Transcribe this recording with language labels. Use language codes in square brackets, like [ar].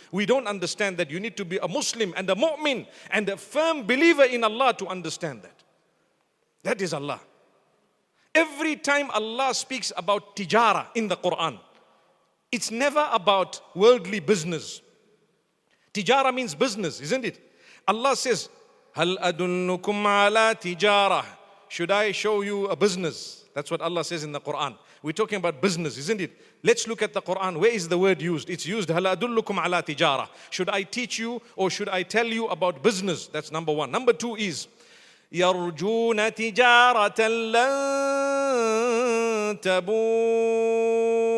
[en] We don't understand that. You need to be a Muslim and a mu'min and a firm believer in Allah to understand that. That is Allah. Every time Allah speaks about tijara in the Quran, it's never about worldly business. Tijara means business, isn't it? Allah says, [ar] هَلْ أَدُلُّكُمْ عَلَىٰ تِجَارَةٍ. [en] Should I show you a business? That's what Allah says in the Quran. We're talking about business, isn't it? Let's look at the Quran. Where is the word used? It's used, [ar] هَلْ أَدُلُّكُمْ عَلَىٰ تِجَارَةٍ. [en] Should I teach you or should I tell you about business? That's number one. Number two is, [ar] يَرْجُونَ تِجَارَةً لَن تَبُورٍ.